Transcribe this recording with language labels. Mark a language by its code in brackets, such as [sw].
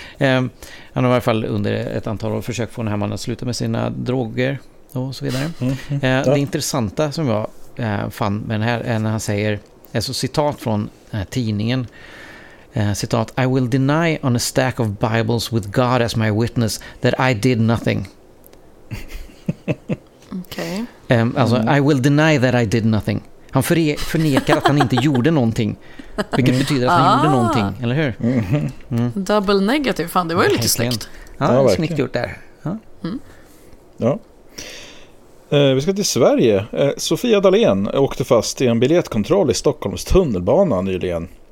[sv] Han har i alla fall under ett antal år försökt få den här mannen att sluta med sina droger och så vidare. Det intressanta som jag fann med den här är när han säger, alltså citat från den här tidningen, citat, [en] I will deny on a stack of Bibles with God as my witness that I did nothing. Okay. Alltså, I will deny that I did nothing. [sv] Han förnekar att han inte gjorde någonting, vilket betyder att han gjorde någonting, eller hur? Mm. Double negative, fan, det var ju lite snyggt. Ja, det snyggt gjort där. Ja. Vi ska till Sverige. Sofia Dalén åkte fast i en biljettkontroll i Stockholms tunnelbana nyligen.